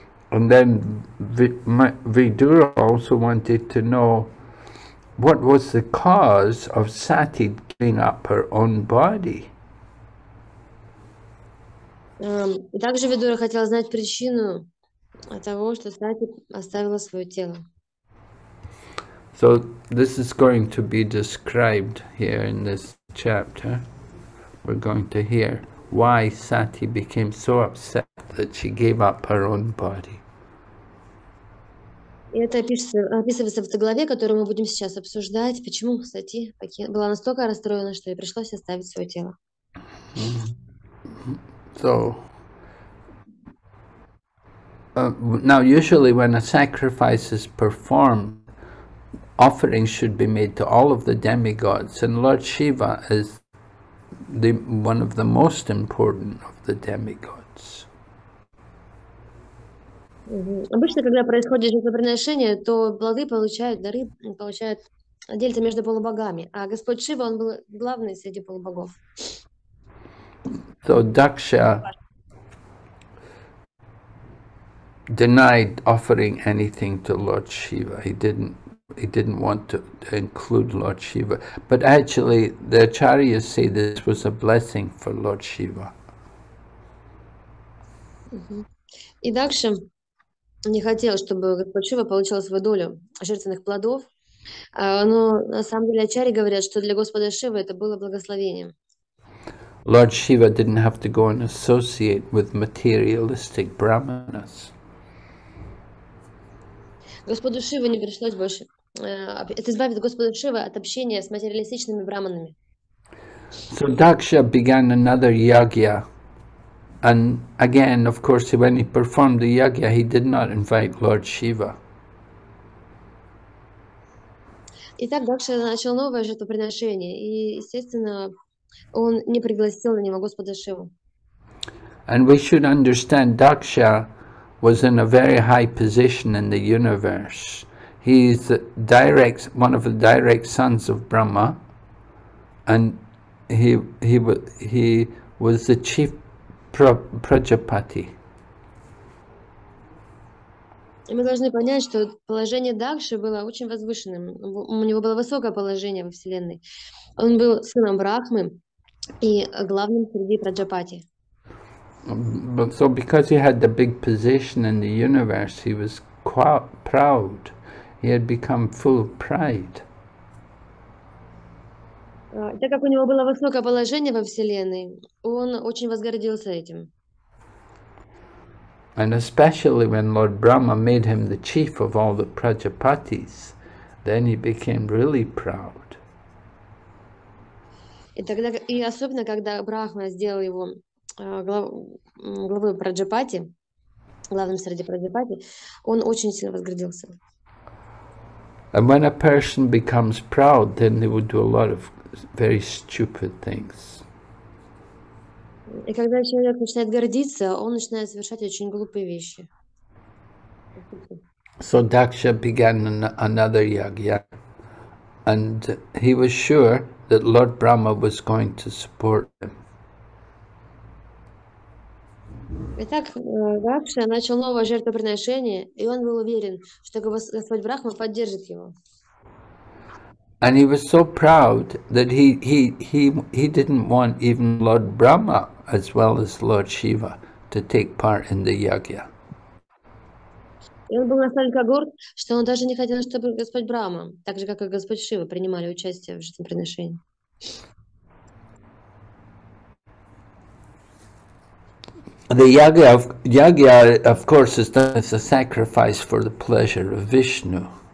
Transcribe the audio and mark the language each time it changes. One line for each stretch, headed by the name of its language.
English: And then Vidura also wanted to know what was the cause of Sati giving up her own body.
Russian: И также Видура хотел знать причину того, что Сати оставила свое тело.
English: So this is going to be described here in this chapter. We're going to hear why Sati became so upset that she gave up her own body.
Russian: Это описывается в той главе, которую мы будем сейчас обсуждать, почему Сати была настолько расстроена, что ей пришлось оставить свое тело.
English: So now usually when a sacrifice is performed, offerings should be made to all of the demigods, and Lord Shiva is the one of the most important of the demigods.
Russian: Обычно, когда происходит жертвоприношение, то плоды получают, дары получают дельта между полубогами, а Господь Шива, он был главный среди полубогов.
English: So Daksha denied offering anything to Lord Shiva. He didn't want to include Lord Shiva, but actually the acharyas say this was a blessing for Lord Shiva.
Russian: И Дакша не хотел, чтобы Господь Шива получил свою долю жертвенных плодов, но на самом деле ачари говорят, что для Господа Шивы это было благословением.
English: Lord Shiva didn't have to go and associate with materialistic brahmanas.
Russian: Господу Шиве не пришлось больше. Это избавит Господа Шива от общения с материалистичными браманами.
English: So Daksha began another yagya, and again, of course, when he performed the yagya, he did not invite Lord Shiva.
Russian: Итак, Дакша начал новое жертвоприношение, и естественно, он не пригласил на него Господа Шиву.
English: And we should understand Daksha was in a very high position in the universe. He is one of the direct sons of Brahma, and he was the chief prajapati.
Russian: Мы должны понять, что положение Дакши было очень возвышенным. У него было высокое положение во вселенной. Он был сыном Брахмы и главным среди прajapati.
English: So because he had the big position in the universe, he was quite proud. He had become full of pride.
Russian: Так как у него было высокое положение во вселенной, он очень возгордился этим.
English: And especially when Lord Brahma made him the chief of all the prajapatis, then he became really proud.
Russian: И особенно когда Брахма сделал его главой прajapati, главным среди прajapati, он очень сильно возгордился.
English: And when a person becomes proud, then they would do a lot of very stupid things.
Russian: И когда человек начинает гордиться, он начинает совершать очень глупые вещи.
English: So Daksha began another yagya, and he was sure that Lord Brahma was going to support him.
Russian: Итак, Дакша начал новое жертвоприношение, и он был уверен, что Господь Брахма поддержит его.
English: And he was so proud that he didn't want even Lord Brahma as well as Lord Shiva to take part in the yagya.
Russian: И он был настолько горд, что он даже не хотел, чтобы Господь Брахма, так же как и Господь Шива, принимали участие в жертвоприношении.
English: The yagya, of course, is done as a sacrifice for the pleasure of Vishnu.